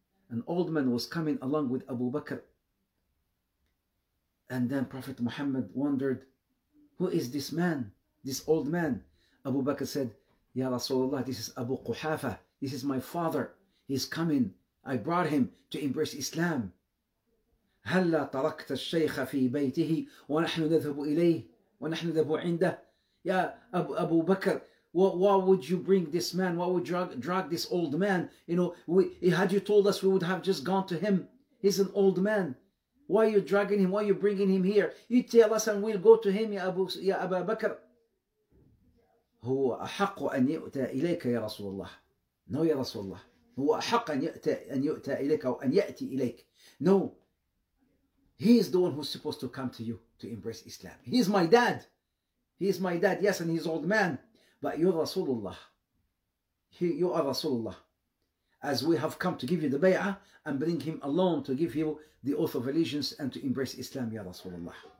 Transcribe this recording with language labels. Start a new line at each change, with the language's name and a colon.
English: An old man was coming along with Abu Bakr. And then Prophet Muhammad wondered, who is this man, this old man? Abu Bakr said, Ya Rasulullah, this is Abu Quhafa. This is my father. He's coming. I brought him to embrace Islam.
Arabic: هَلَّا تَرَكْتَ الشَّيْخَ فِي بَيْتِهِ وَنَحْنُ نَذْهَبُ إِلَيْهِ وَنَحْنُ نَذْهَبُ عِنْدَهِ
English: Ya Abu Bakr, why would you bring this man? Why would you drag this old man? You know, had you told us, we would have just gone to him. He's an old man. Why are you dragging him? Why are you bringing him here? You tell us and we'll go to him, Ya Abu Bakr.
Arabic: هو أحق أن يؤتى إليك يا رسول الله.
English: No, Ya Rasulullah.
Arabic: هو أحق أن يؤتى إليك أو أن يأتي إليك.
English: No. He is the one who's supposed to come to you to embrace Islam. He's my dad. He's my dad. Yes, and he's old man. But you're Rasulullah. You are Rasulullah. As we have come to give you the bay'ah and bring him alone to give you the oath of allegiance and to embrace Islam, Ya Rasulullah.